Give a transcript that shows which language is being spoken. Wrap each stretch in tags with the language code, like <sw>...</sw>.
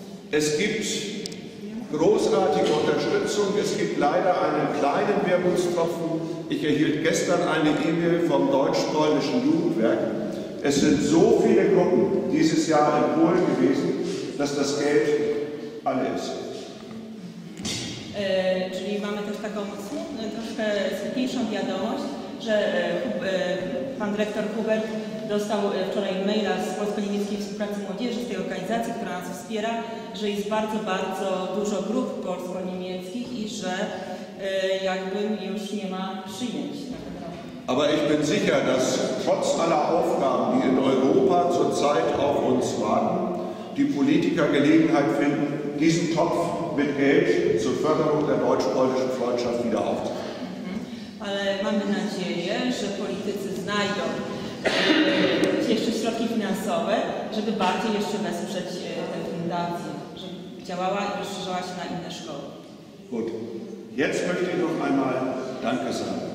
<de>Es gibt großartige Unterstützung. Es gibt leider einen kleinen Wermutstropfen. Ich erhielt gestern eine E-Mail vom Deutsch-Polnischen Jugendwerk. Es sind so viele Gruppen dieses Jahr in Polen gewesen, dass das Geld alle ist.</de> <pl>Czyli mamy też taką troszkę smutniejszą wiadomość, że pan dyrektor Hubert dostał wczoraj maila z polsko-niemieckiej współpracy młodzieży, z tej organizacji, która nas wspiera, że jest bardzo, bardzo dużo grup polsko-niemieckich i że jakby już nie ma przyjęć.</pl> <de>Aber ich bin sicher, dass trotz aller Aufgaben, die in Europa zurzeit auf uns warten, die Politiker Gelegenheit finden, diesen Topf mit Geld zur Förderung der deutsch-polnischen Freundschaft wieder aufzubauen.</de> <pl>Mamy nadzieję, że politycy znajdą jeszcze środki finansowe, żeby bardziej jeszcze wesprzeć tę fundację, żeby działała i rozszerzała się na inne szkoły.</pl> <de>Gut. Jetzt möchte ich noch einmal Danke sagen.</de>